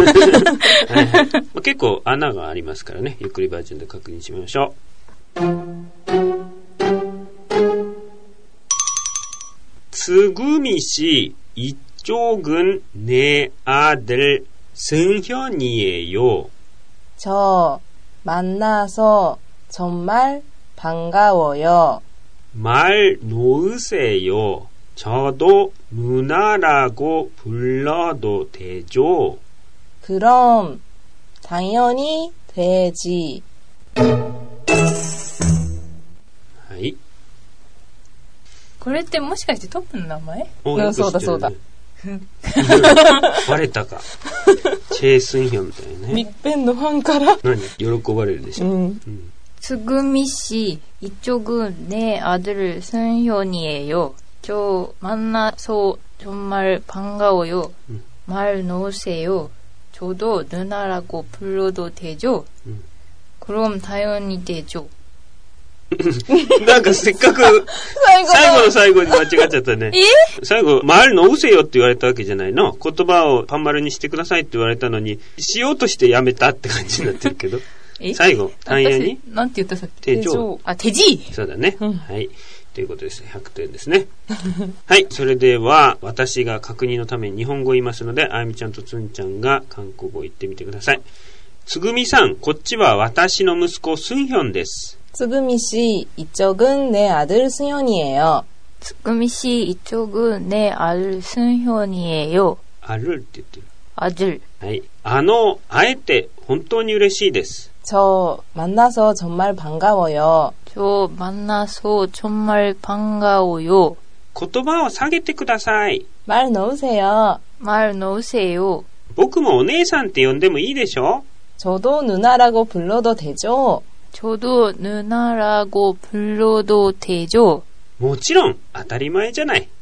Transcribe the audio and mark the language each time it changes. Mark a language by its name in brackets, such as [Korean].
[Japanese] はい、はい、まあ、結構穴がありますからね、ゆっくりバージョンで確認しましょう。 [Korean] つぐみ씨이쪽은내아들승현이에요。 저만나서정말반가워요。 말놓으세요。 저도누나라고불러도되죠。 그럼당연히되지。 [Japanese] はい。これってもしかしてトップの名前？おお、そうだそうだ。バレたか。チェ・スンヒョンみたいなね。ミッペンのファンから。何？喜ばれるでしょ。うん。 [Korean] つぐみ씨이쪽은내아들승현이에요。 저만나서정말반가워요。 말놓으세요。 저도누나라고불러도되죠。 그럼당연히되죠。 [Japanese] なんかせっかく最後の最後に間違っちゃったね。最後 [Korean] 말놓으세요 [Japanese] って言われたわけじゃないの。言葉をパンマルにしてくださいって言われたのにしようとしてやめたって感じになってるけど。最後単言になんて言ったさっき。手錠。あ、手じ。そうだね。うん、はい。ということです。100点ですね。はい、それでは私が確認のために日本語を言いますので、あゆみちゃんとつんちゃんが韓国語を言ってみてください。つぐみさん、こっちは私の息子スンヒョンです。 [Korean] つぐみ씨、이쪽은내아들승현이에요。つぐみ씨、이쪽은내아들승현이에요。 [Japanese] あるって言ってる。 [Korean] 아들。 [Japanese] はい、あの、会えて本当に嬉しいです。 [Korean] 저만나서정말반가워요。 저만나서정말반가워요。 [Japanese] 言葉を下げてください。 [Korean] 말놓으세요。 말놓으세요。 [Japanese] 僕もお姉さんって呼んでもいいでしょ。 [Korean] 저도누나라고불러도되죠。 저도누나라고불러도되죠。 [Japanese] もちろん当たり前じゃない。